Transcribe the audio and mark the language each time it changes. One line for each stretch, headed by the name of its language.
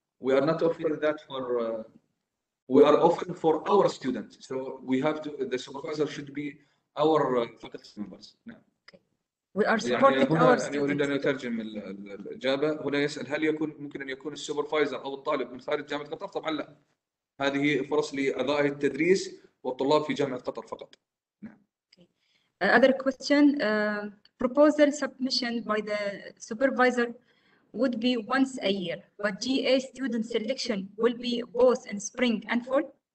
English: We are not offering that for, we are offering for our students. So we have to, the supervisor should be our faculty members. We are supporting
Arabic: يعني
English: our students.
Arabic: أريد أن أترجم الإجابة. هنا يسأل هل يكون ممكن أن يكون السوبرفايزر أو الطالب من خارج جامعة قطر؟ طبعا لا. هذه فرص لأداء التدريس والطلاب في جامعة قطر فقط.
English: Other question. Proposal submission by the supervisor would be once a year. But GA student selection will be both in spring and fall.